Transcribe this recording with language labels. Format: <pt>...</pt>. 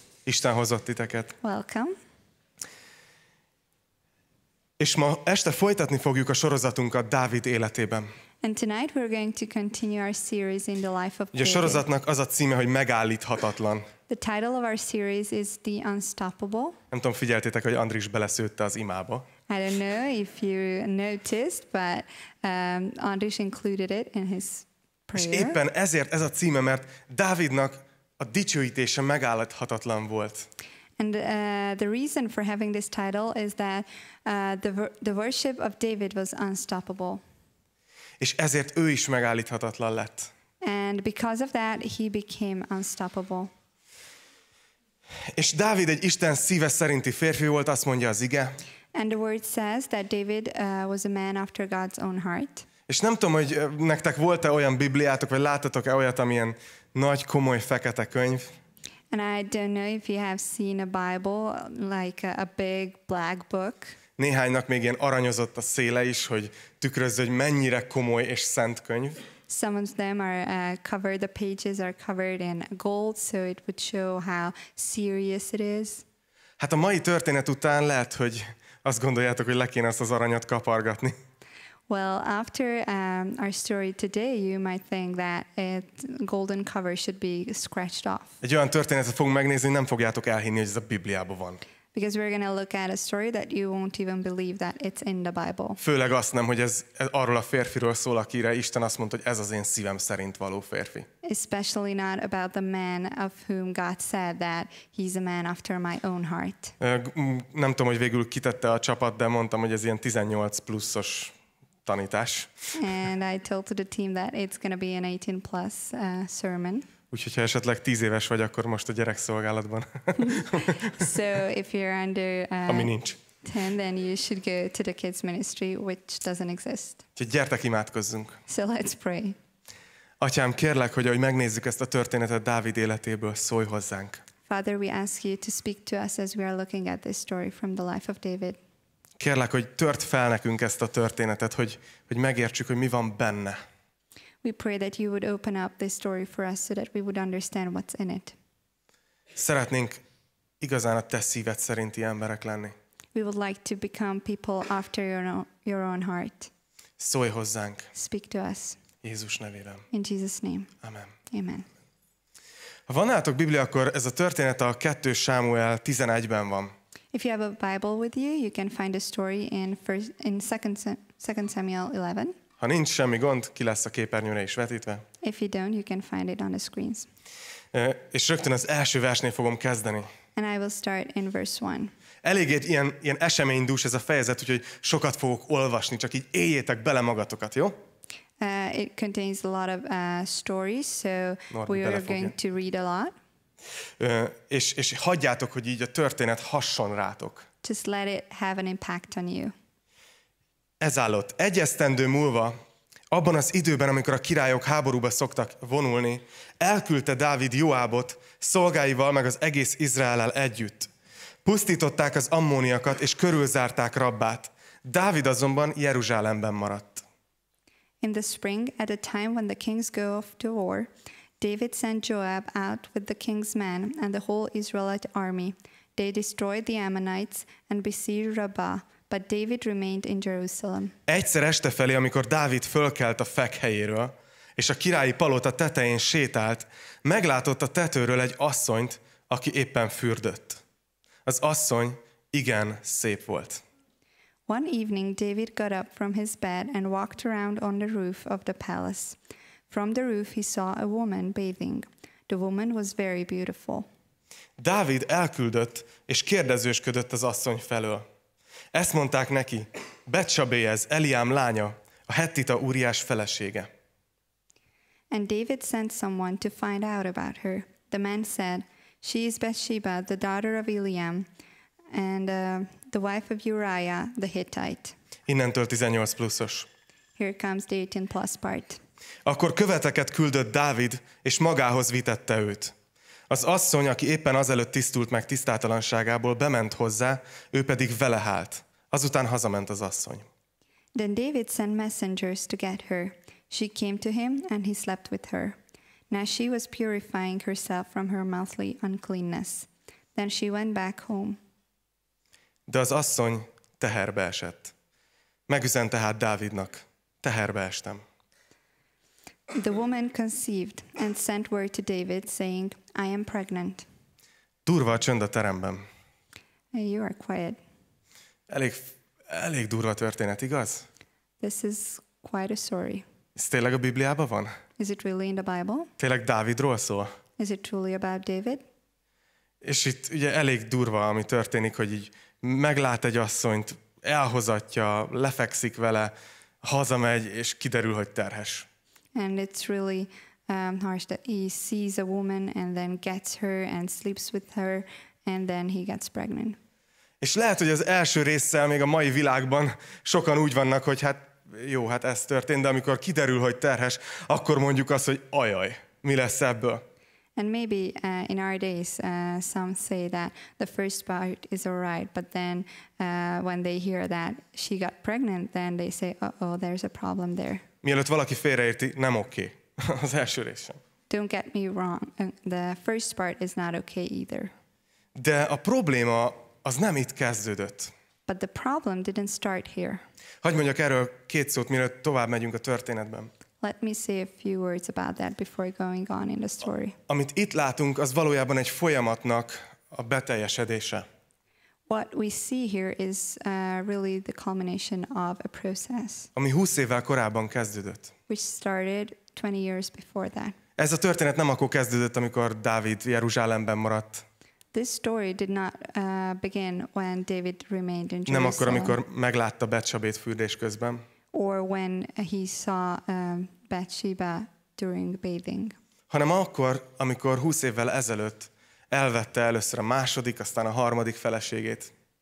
<hu>Isten hozott titeket.</hu> <en>Welcome.</en> <hu>És ma este folytatni fogjuk a sorozatunkat Dávid életében.</hu> <en>And tonight we're going to continue our series in the life of David.</en> <hu>A sorozatnak az a címe, hogy megállíthatatlan.</hu> <en>The title of our series is The Unstoppable.</en> <hu>Nem tudom, figyeltétek, hogy Andris beleszőtte az imába.</hu> <en>I don't know if you noticed, but Andris included it in his prayer.</en> <hu>És éppen ezért ez a címe, mert Dávidnak a dicsőítése megállíthatatlan volt.</hu> <en>And the reason for having this title is that the worship of David was unstoppable.</en> <hu>És ezért ő is megállíthatatlan lett.</hu> <en>And because of that he became unstoppable.</en> <hu>És Dávid egy Isten szíve szerinti férfi volt, azt mondja az ige.</hu> <en>And the word says that David was a man after God's own heart.</en> <hu>És nem tudom, hogy nektek volt-e olyan bibliátok, vagy láttatok-e olyat, amilyen nagy, komoly, fekete könyv.</hu> <en>And I don't know if you have seen a Bible, like a big black book.</en> <hu>Néhánynak még ilyen aranyozott a széle is, hogy tükrözze, hogy mennyire komoly és szent könyv.</hu> <en>Some of them are covered, the pages are covered in gold, so it would show how serious it is.</en> <hu>Hát a mai történet után lehet, hogy azt gondoljátok, hogy le kéne ezt az aranyat kapargatni.</hu> <en>Well, after our story today, you might think that a golden cover should be scratched off.</en> <hu>Egy olyan történetet fogunk megnézni, nem fogjátok elhinni, hogy ez a Bibliában van.</hu> <en>Because we're going to look at a story that you won't even believe that it's in the Bible.</en> <hu>Főleg azt nem, hogy ez arról a férfiről szól, akire Isten azt mondta, hogy ez az én szívem szerint való férfi.</hu> <en>Especially not about the man of whom God said that he's a man after my own heart.</en> <hu>Nem tudom, hogy végül kitette a csapat, de mondtam, hogy ez ilyen 18 pluszos tanítás.</hu> <en>And I told to the team that it's going to be an 18 plus sermon.</en> <hu>Úgyhogy ha esetleg 10 éves vagy, akkor most a gyerekszolgálatban.</hu> <en>So if you're under</en> <hu>ami nincs.</hu> <en>10, then you should go to the kids ministry, which doesn't exist.</en> <hu>Úgyhogy gyertek, imádkozzunk.</hu> <en>So let's pray.</en> <hu>Atyám, kérlek, hogy ahogy megnézzük ezt a történetet Dávid életéből, szólj hozzánk.</hu> <en>Father, we ask you to speak to us as we are looking at this story from the life of David.</en> <hu>Kérlek, hogy tört fel nekünk ezt a történetet, hogy megértsük, hogy mi van benne.</hu> <en>We pray that you would open up this story for us so that we would understand what's in it.</en> <hu>Szeretnénk igazán a te szíved szerinti emberek lenni.</hu> <en>We would like to become people after your own heart.</en> <hu>Szólj hozzánk.</hu> <en>Speak to us.</en> <hu>Jézus nevében.</hu> <en>In Jesus' name.</en> <hu>Amen.</hu> <en>Amen.</en> <hu>Ha van nálatok Biblia, akkor ez a történet a 2 Sámuel 11-ben van.</hu> <en>If you have a Bible with you, you can find a story in 2 Samuel 11.</en> <hu>Ha nincs semmi gond, ki lesz a képernyőre is vetítve.</hu> <en>If you don't, you can find it on the screens.</en> <hu>És rögtön az első versnél fogom kezdeni.</hu> <en>And I will start in verse 1.</en> <hu>Elég egy ilyen eseménydús ez a fejezet, úgyhogy sokat fogok olvasni, csak így éljétek bele magatokat, jó?</hu> <en>It contains a lot of stories, so Norbi, we are going to read a lot.</en> <hu>És hagyjátok, hogy így a történet hasson rátok.</hu> <en>Just let it have an impact on you.</en> <hu>Ez állott. Egy esztendő múlva, abban az időben, amikor a királyok háborúba szoktak vonulni, elküldte Dávid Joábot szolgáival meg az egész Izraellel együtt. Pusztították az ammóniakat és körülzárták Rabbát. Dávid azonban Jeruzsálemben maradt.</hu> <en>In the spring, at a time when the kings go off to war, David sent Joab out with the king's men and the whole Israelite army. They destroyed the Ammonites and besieged Rabbah, but David remained in Jerusalem.</en> <hu>Egyszer este felé, amikor Dávid fölkelt a fekhelyéről, és a királyi palota tetején sétált, meglátott a tetőről egy asszonyt, aki éppen fürdött. Az asszony igen szép volt.</hu> <en>One evening David got up from his bed and walked around on the roof of the palace. From the roof he saw a woman bathing. The woman was very beautiful.</en> <hu>Dávid elküldött és kérdezősködött az asszony felől. Ezt mondták neki, Betsabéhez, Eliám lánya, a hettita Úriás felesége.</hu> <en>And David sent someone to find out about her. The man said, she is Bathsheba, the daughter of Eliam, and the wife of Uriah, the Hittite.</en> <hu>Innentől 18 pluszos.</hu> <en>Here comes the 18 plus part.</en> <hu>Akkor követeket küldött Dávid, és magához vitette őt. Az asszony, aki éppen azelőtt tisztult meg tisztátalanságából, bement hozzá, ő pedig vele hált. Azután hazament az asszony.</hu> <en>Then David sent messengers to get her. She came to him, and he slept with her. Now she was purifying herself from her monthly uncleanness. Then she went back home.</en> <hu>De az asszony teherbe esett. Megüzent tehát Dávidnak, teherbe estem.</hu> <en>The woman conceived and sent word to David, saying, I am pregnant.</en> <hu>Durva a csönd a teremben.</hu> <en>You are quiet.</en> <hu>Elég durva történet, igaz?</hu> <en>This is quite a story.</en> <hu>Ez tényleg a Bibliában van?</hu> <en>Is it really in the Bible?</en> <hu>Tényleg Dávidról szól?</hu> <en>Is it truly about David?</en> <hu>És itt ugye elég durva, ami történik, hogy így meglát egy asszonyt, elhozatja, lefekszik vele, hazamegy, és kiderül, hogy terhes.</hu> <en>And it's really harsh that he sees a woman and then gets her and sleeps with her and then he gets pregnant.</en> <hu>És lehet, hogy az első résszel még a mai világban sokan úgy vannak, hogy hát jó, hát ez történt, de amikor kiderül, hogy terhes, akkor mondjuk azt, hogy ajaj, mi lesz ebből?</hu> <en>And maybe in our days some say that the first part is all right, but then when they hear that she got pregnant, then they say, oh, there's a problem there.</en> <hu>Mielőtt valaki félreérti, nem oké. Az első rész sem.</hu> <en>Don't get me wrong. The first part is not okay either.</en> <hu>De a probléma az nem itt kezdődött.</hu> <en>But the problem didn't start here.</en> <hu>Hogy mondjak erről két szót, mielőtt tovább megyünk a történetben.</hu> <en>Let me say a few words about that before going on in the story.</en> <hu>Amit itt látunk, az valójában egy folyamatnak a beteljesedése.</hu> <en>What we see here is really the culmination of a process.</en> <hu>Ami 20 évvel korábban kezdődött.</hu> <en>Which started 20 years before that.</en> <hu>Ez a történet nem akkor kezdődött, amikor Dávid Jeruzsálemben maradt.</hu> <en>This story did not begin when David remained in Jerusalem.</en> <hu>Nem akkor, amikor meglátta Betsabét fürdés közben.</hu> <en>Or when he saw Bathsheba during bathing.</en> <hu>Hanem akkor, amikor 20 évvel ezelőtt elvette először a második, aztán a harmadik feleségét.</hu>